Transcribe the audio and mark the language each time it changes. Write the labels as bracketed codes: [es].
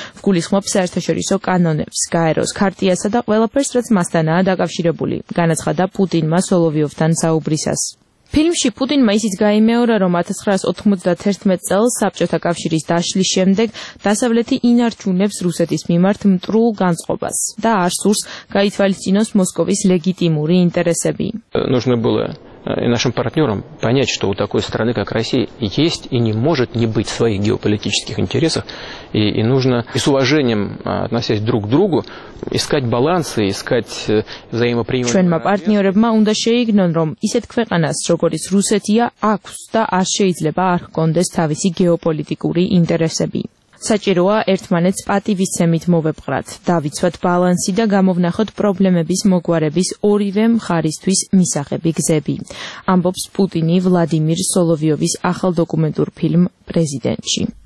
[ka] ვგულისხმობ საერთაშორისო კანონებს, გაეროს ქარტიასა და ყველაფერს, რაც მასთანაა დაკავშირებული, განაცხადა პუტინმა სოლოვიოვთან საუბრისას. ფილმში პუტინმა ისიც გაიმეორა, რომ 1991 წელს საბჭოთა კავშირის დაშლის შემდეგ დასავლეთი ინარჩუნებს რუსეთის მიმართ მტრულ განწყობას და არ სურს გაითვალისწინოს მოსკოვის ლეგიტიმური ინტერესები. [ru] Нужно было и нашим партнерам понять, что у такой страны, как Россия, есть и не может не быть своих геополитических интересов. И нужно и с уважением относясь друг к другу, искать балансы, искать взаимоприемлемые... [ka] Ჩვენმა პარტნიორებმა უნდა შეიგნონ, რომ ისეთ ქვეყანას, როგორც რუსეთია, აქვს და არ შეიძლება არ ჰქონდეს თავისი გეოპოლიტიკური ინტერესები. საჭიროა ერთმანეთს პატივისცემით მოვეპყრათ, დავიცვათ ბალანსი და გამოვნახოთ პრობლემების მოგვარების ორივე მხარისთვის მისაღები გზები, ამბობს პუტინი ვლადიმირ სოლოვიოვის ახალ დოკუმენტურ ფილმ „პრეზიდენტში“.